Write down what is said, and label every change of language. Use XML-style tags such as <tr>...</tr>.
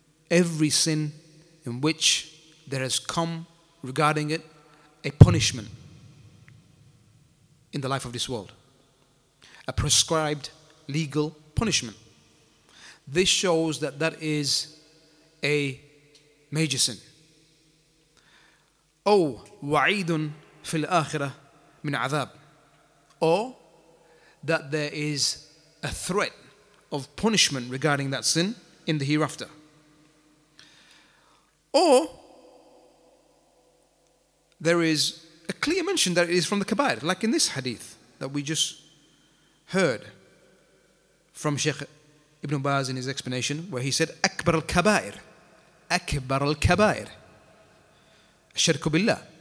<en>Every sin in which there has come regarding it a punishment in the life of this world, a prescribed legal punishment. This shows that that is a major sin.</en> <ar>أو وعيد في الآخرة من عذاب.</ar> <en>Or that there is a threat of punishment regarding that sin in the hereafter. Or there is a clear mention that it is from the kabair, like in this hadith that we just heard from Sheikh Ibn Baz in his explanation, where he said,</en> <ar>Akbar al-Kabair, Akbar al-Kabair, Shirku Billah.</ar>